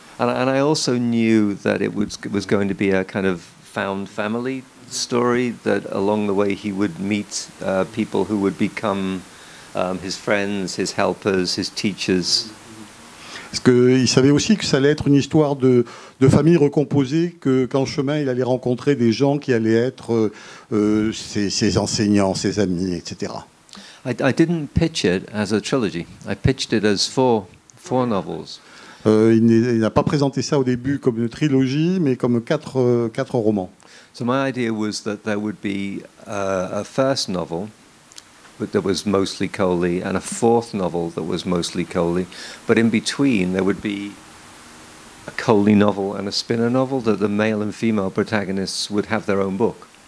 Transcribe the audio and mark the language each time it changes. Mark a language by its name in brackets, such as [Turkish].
[English] And I also knew that it was going to be a kind of found family story, that along the way he would meet people who would become his friends, his helpers, his teachers. [French] Parce qu'il savait aussi que ça allait être une histoire de famille recomposée, qu'en chemin il allait rencontrer des gens qui allaient être ses enseignants, ses amis, etc. [English] I didn't pitch it as a trilogy. I pitched it as four novels. [French] Il n'a pas présenté ça au début comme une trilogie, mais comme quatre romans. [English] So my idea was that there would be a first novel that was mostly Coley and a fourth novel that was mostly Coley, but in between there would be a Coley novel and a Spinner novel, that the male and female protagonists would have their own book.